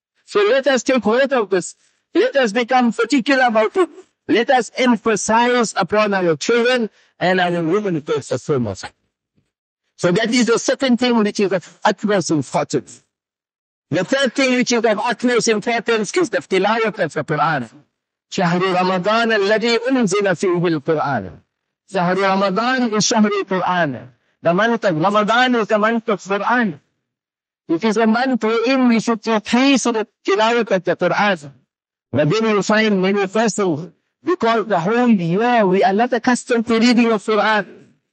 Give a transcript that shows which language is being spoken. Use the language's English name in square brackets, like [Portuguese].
[English] So let us take hold of this. Let us become particular about it. Let us emphasize upon our children and our women to perform. So that is the second thing which is of utmost importance. The third thing which is of utmost importance is the tilawat of the Quran. [Arabic] شهر رمضان الذي أنزل فيه القرآن. شهر رمضان is شهر القرآن. [English] The month of Ramadan is the month of Quran. It is a month wherein we should increase the tilawat of the Quran. But then you find many persons, because the whole year we are not accustomed to reading of Quran.